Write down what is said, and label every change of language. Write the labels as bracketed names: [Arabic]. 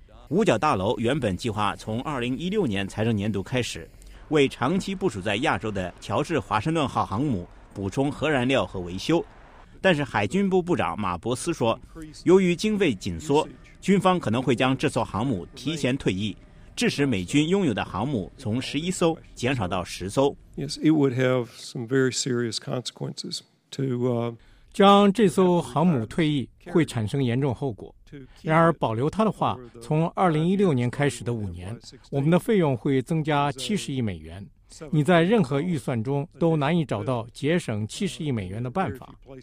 [Chinese] 五角大楼原本计划从2016年财政年度开始，为长期部署在亚洲的乔治华盛顿号航母补充核燃料和维修。但是海军部部长马伯斯说，由于经费紧缩，军方可能会将这艘航母提前退役，致使美军拥有的航母从11艘减少到10艘。 [English] Yes, it would have some very serious consequences to [Chinese] 将这艘航母退役会产生严重后果。然而保留它的话，从2016年开始的5年，我们的费用会增加70亿美元。你在任何预算中都难以找到节省70亿美元的办法。